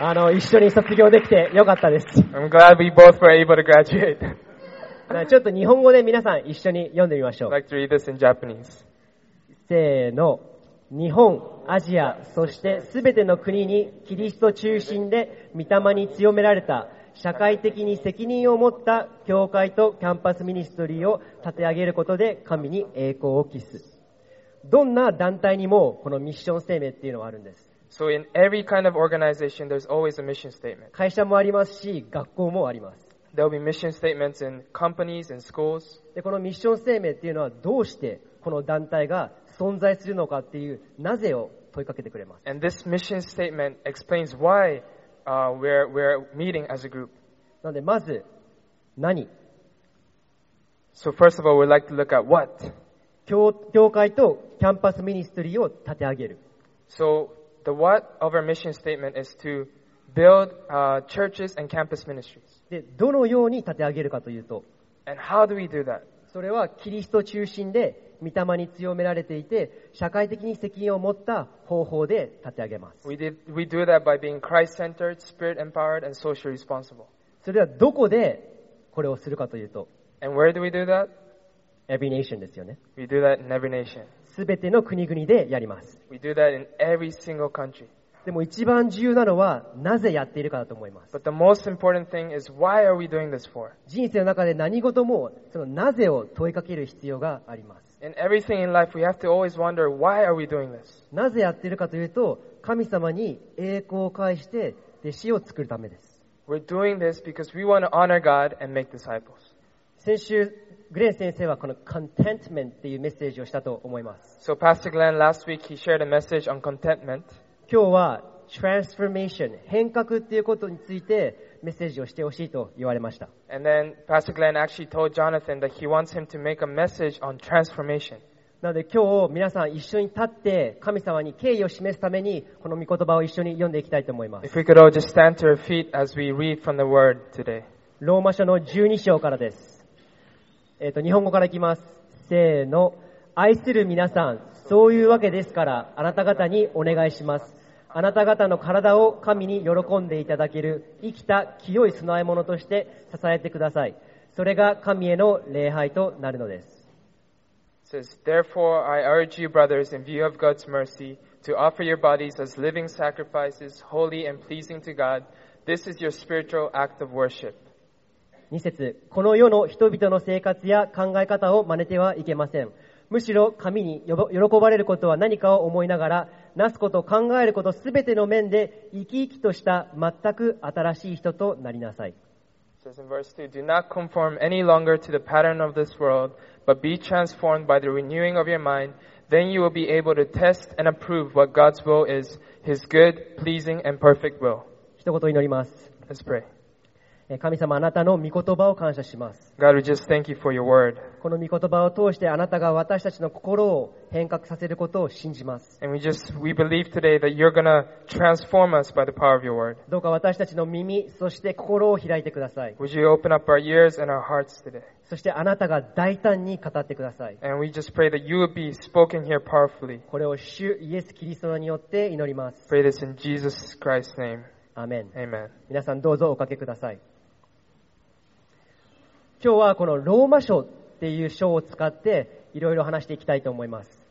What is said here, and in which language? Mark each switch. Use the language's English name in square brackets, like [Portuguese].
[Japanese] 一緒に卒業できてよかったです。 [English] I'm glad we both were able to graduate. [Japanese] ちょっと日本語で皆さん一緒に読んでみましょう。 [English] I'd like to read this in Japanese. [Japanese] せーの。日本、アジア、そしてすべての国にキリスト中心で御霊に強められた社会的に責任を持った教会とキャンパスミニストリーを立て上げることで神に栄光を期す。どんな団体にもこのミッション声明っていうのはあるんです。 [English] So in every kind of organization, there's always a mission statement. [Japanese] 会社もありますし、学校もあります。 [English] There'll be mission statements in companies and schools. [Japanese] で、このミッション声明っていうのはどうしてこの団体が存在するのかっていうなぜを問いかけてくれます。 [English] And this mission statement explains why we're meeting as a group. [Japanese] なんでまず何 [English] ？So first of all, we'd like to look at what. [Japanese] 教会とキャンパスミニストリーを立て上げる。 [English] So the what of our mission statement is to build churches and campus ministries. [Japanese] でどのように立て上げるかというと、 [English] And how do we do that? [Japanese] それはキリスト中心で御霊に強められていて社会的に責任を持った方法で立て上げます。 [English] We do that by being Christ-centered, Spirit-empowered, and socially responsible. [Japanese] それではどこでこれをするかというと、 [English] And where do we do that? [Japanese] Every nation ですよね。 [English] We do that in every nation. [Japanese] 全ての国々でやります。 [English] We do that in every single country. [Japanese] でも一番重要なのはなぜやっているかだと思います。 [English] But the most important thing is why are we doing this for? [Japanese] 人生の中で何事もそのなぜを問いかける必要があります。 [English] In everything in life, we have to always wonder why are we doing this? [Japanese] なぜやってるかというと、神様に栄光を返して弟子を作るためです。 [English] We're doing this because we want to honor God and make disciples. [Japanese] 先週、グレン先生はこの contentment っていうメッセージをしたと思います。 [English] So Pastor Glenn last week he shared a message on contentment. [Japanese] 今日は transformation 変革っていうことについてメッセージをしてほしいと言われました。 [English] And then Pastor Glenn actually told Jonathan that he wants him to make a message on transformation. [Japanese] なので今日皆さん一緒に立って神様に敬意を示すためにこの御言葉を一緒に読んでいきたいと思います。 [English] If we could all just stand to our feet as we read from the word today. [Japanese] ローマ書の12章からです。日本語からいきます。せーの。愛する皆さん、そういうわけですからあなた方にお願いします。あなた方の体を神に喜んでいただける生きた清い供え物として支えてください。それが神への礼拝となるのです。 [English] It says, Therefore I urge you brothers in view of God's mercy to offer your bodies as living sacrifices holy and pleasing to God. This is your spiritual act of worship. [Japanese] 2節、この世の人々の生活や考え方を真似てはいけません。むしろ神に喜ばれることは何かを思いながらなすこと考えることすべての面で生き生きとした全く新しい人となりなさい。 [English] Says in verse 2, Do not conform any longer to the pattern of this world, but be transformed by the renewing of your mind. Then you will be able to test and approve what God's will is, His good, pleasing, and perfect will. [Japanese] 一言祈ります。 [English] Let's pray. [Japanese] 神様、あなたの御言葉を感謝します。 [English] God, we just thank you for your word. [Japanese] この御言葉を通してあなたが私たちの心を変革させることを信じます。 [English] And we believe today that you're going to transform us by the power of your word. [Japanese] どうか私たちの耳そして心を開いてください。 [English] Would you open up our ears and our hearts today? [Japanese] そしてあなたが大胆に語ってください。 [English] And we just pray that you would be spoken here powerfully. [Japanese] これを主イエスキリストによって祈ります。 [English] Pray this in Jesus Christ's name. Amen. Amen. [Japanese] 皆さんどうぞおかけください。今日はこのローマ書っていう章を使っていろいろ話していきたいと思います。